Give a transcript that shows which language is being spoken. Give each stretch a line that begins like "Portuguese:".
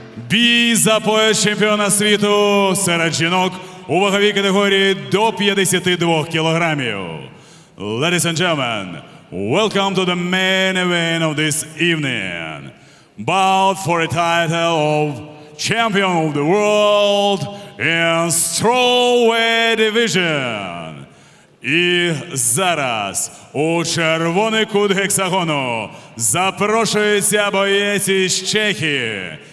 Ukrainian: Бій за пояс чемпіона світу серед жінок у ваговій категорії до 52 кілограмів.
English: Ladies and gentlemen, welcome to the main event of this evening. Bout for the title of champion of the world in strawweight division.
Ukrainian: І зараз у червоний кут гексагону запрошується боєць із Чехії.